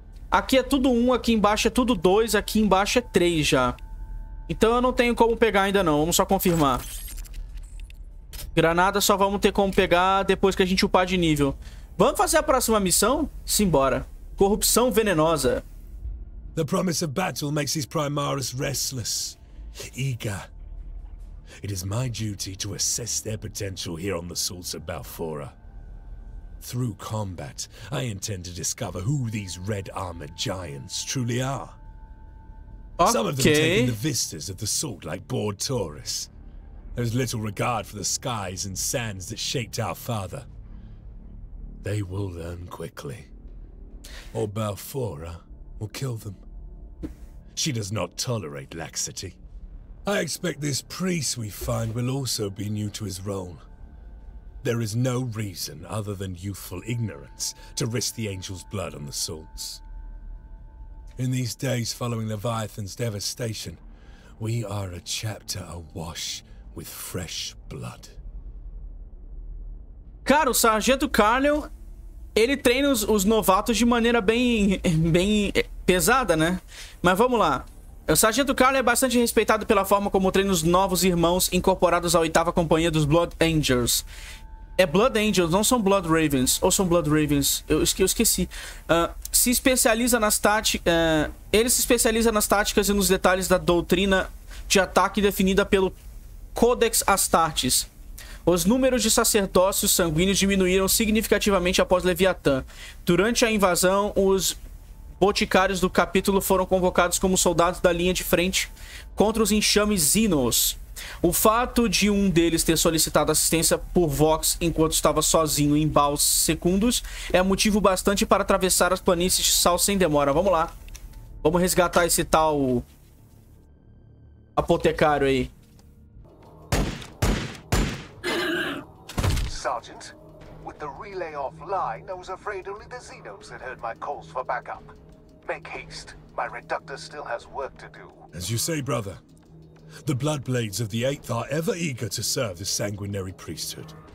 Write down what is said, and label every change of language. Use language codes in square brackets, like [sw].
[pt] Aqui é tudo 1, aqui embaixo é tudo 2, aqui embaixo é 3 já. Então eu não tenho como pegar ainda não, vamos só confirmar. Granada só vamos ter como pegar depois que a gente upar de nível. Vamos fazer a próxima missão? Simbora. Corrupção venenosa. [en] The promise of battle makes these Primaris restless, eager. It is my duty to assess their potential here on the Salts of Balfora. Through combat, I intend to discover who these red-armored giants truly are. Okay. Some of them taking the vistas of the Salt like bored tourists. There's little regard for the skies and sands that shaped our father. They will learn quickly. Or Balfora will kill them. She does not tolerate laxity. I expect this priest we find will also be new to his role. There is no reason other than youthful ignorance to risk the angel's blood on the Salts. In these days following Leviathan's devastation, we are a chapter awash with fresh blood. [pt] Cara, o Sargento Carlyle, ele treina os novatos de maneira bem pesada, né? Mas vamos lá. O Sargento Carlyle é bastante respeitado pela forma como treina os novos irmãos incorporados à 8ª Companhia dos Blood Angels. É Blood Angels, não são Blood Ravens. Ou são Blood Ravens? Eu esqueci. Se especializa nas ele se especializa nas táticas e nos detalhes da doutrina de ataque definida pelo Codex Astartes. Os números de sacerdócios sanguíneos diminuíram significativamente após Leviathan. Durante a invasão, os boticários do capítulo foram convocados como soldados da linha de frente contra os enxames Xenos. O fato de um deles ter solicitado assistência por Vox enquanto estava sozinho em Baus Secundus é motivo bastante para atravessar as planícies de Sal sem demora. Vamos lá. Vamos resgatar esse tal apotecário aí. [en] Sergeant, with the relay offline, I was afraid only the Xenos had heard my calls for backup. Make haste. My reductor still has work to do. As you say, brother. The Bloodblades of the Eighth are ever eager to serve the sanguinary priesthood.